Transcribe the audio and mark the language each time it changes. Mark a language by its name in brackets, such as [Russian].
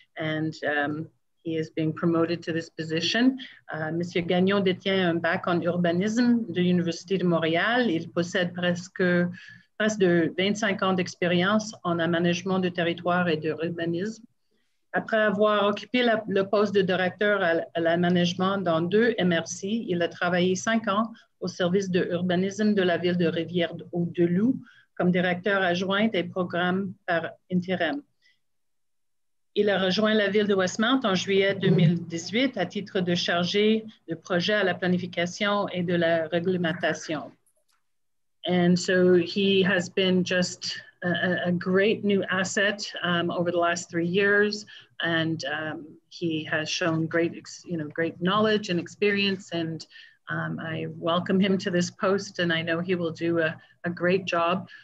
[English] And he is being promoted to this position. Mr. [French] Gagnon détient un bac en urbanisme de l'Université de Montréal. Il possède presque de 25 ans d'expérience en aménagement de territoire et de urbanisme. Après avoir occupé le poste de directeur à l'aménagement dans deux MRC, il a travaillé 5 ans au service de urbanisme de la ville de Rivière-du-Loup comme directeur adjoint des programmes par intérim. Il a rejoint la ville de Westmount en juillet 2018 à titre de chargé de projet à la planification et de la réglementation. [English] And so he has been just a great new asset over the last 3 years. And he has shown great, great knowledge and experience. And I welcome him to this post, and I know he will do a great job.